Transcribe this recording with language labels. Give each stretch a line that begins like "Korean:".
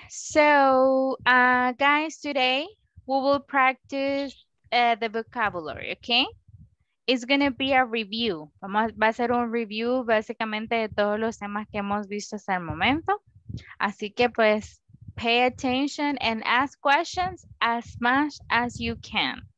English: So, guys, today we will practice the vocabulary, ok? It's going to be a review.
Spanish: Va a ser un review básicamente de todos los temas que hemos visto hasta el momento. Así que pues,
English: pay attention and ask questions as much as you can.